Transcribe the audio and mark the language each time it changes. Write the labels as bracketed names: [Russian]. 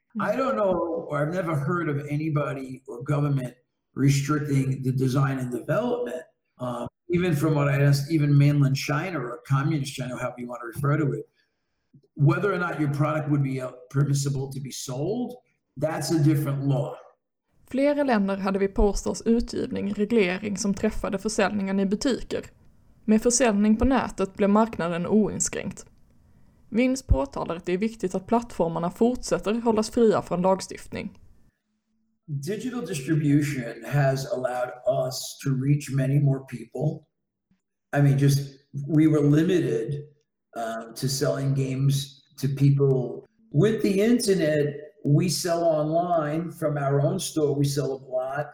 [English] I don't know, or I've never heard of anybody or government restricting the design and development, even from what I asked, even mainland China or communist China, however you want to refer to it, whether or not your product would be permissible to be sold. That's a different law. [Swedish] Flera länder hade vid Postals utgivning reglering som träffade försäljningen i butiker. Med försäljning på nätet blev marknaden oinskränkt. Vince påtalar att det är viktigt att plattformarna fortsätter hållas fria från lagstiftning. [English] Digital distribution has allowed us to reach many more people. I mean, just we were limited to selling games to people. With the internet, we sell online from our own store. We sell a lot.